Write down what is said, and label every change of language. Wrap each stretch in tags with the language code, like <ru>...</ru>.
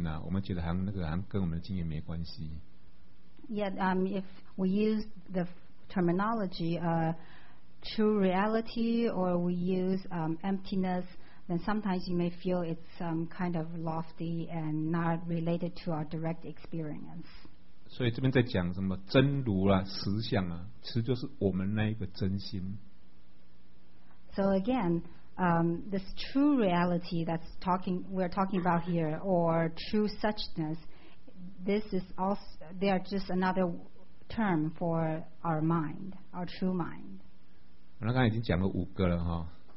<zh>但是如果你用什么用实相，然后是用什么空性呢？我们觉得好像那个好像跟我们的经验没关系。</zh> <en>Yet, if we use the terminology true reality or we use emptiness, then sometimes you may feel it's kind of lofty and not related to our direct experience.</en> <zh>所以这边在讲什么真如啊，实相啊，其实就是我们那一个真心。</zh> <en>So again, this true reality that's talking we're talking about here, or true suchness, this is also they are just another term for our mind, our true mind.</en> <zh>我刚刚已经讲了五个了哈。</zh>